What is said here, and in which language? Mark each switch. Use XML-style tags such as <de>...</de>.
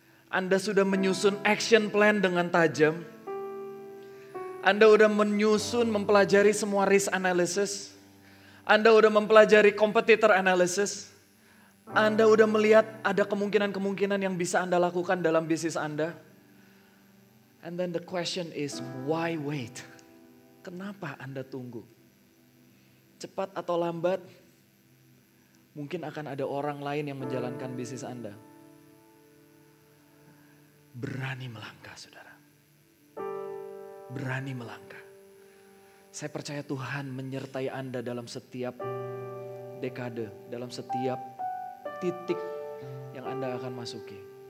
<id>Anda sudah menyusun action plan dengan tajam. Anda sudah menyusun, mempelajari semua risk analysis. Anda sudah mempelajari competitor analysis. Anda sudah melihat ada kemungkinan-kemungkinan yang bisa Anda lakukan dalam bisnis Anda.</id> <en>And then the question is, why wait?</en> <id>Kenapa Anda tunggu? Cepat atau lambat, mungkin akan ada orang lain yang menjalankan bisnis Anda. Berani melangkah, saudara. Berani melangkah. Saya percaya Tuhan menyertai Anda dalam setiap dekade, dalam setiap titik yang Anda akan masuki.</id>